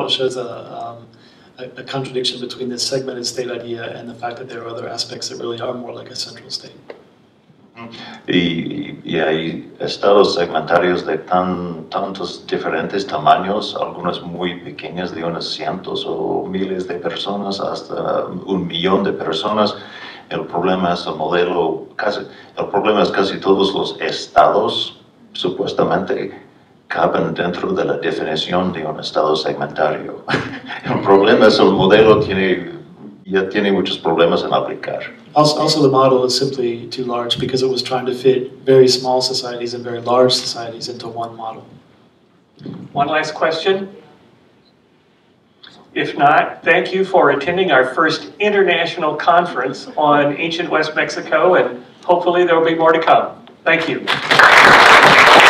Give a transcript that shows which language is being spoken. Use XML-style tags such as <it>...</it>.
<en>So the model shows a contradiction between the segmented state idea and the fact that there are other aspects that really are more like a central state.</en> <es>Y hay estados segmentarios de tantos diferentes tamaños, algunos muy pequeños de unos cientos o miles de personas hasta un millón de personas. El problema es el modelo, casi todos los estados supuestamente caben dentro de la definición de un estado segmentario. El problema es el modelo ya tiene muchos problemas en aplicar.</es> <en>Also, the model is simply too large because it was trying to fit very small societies and very large societies into one model. One last question. If not, thank you for attending our first international conference on ancient West Mexico, and hopefully there will be more to come. Thank you.</en>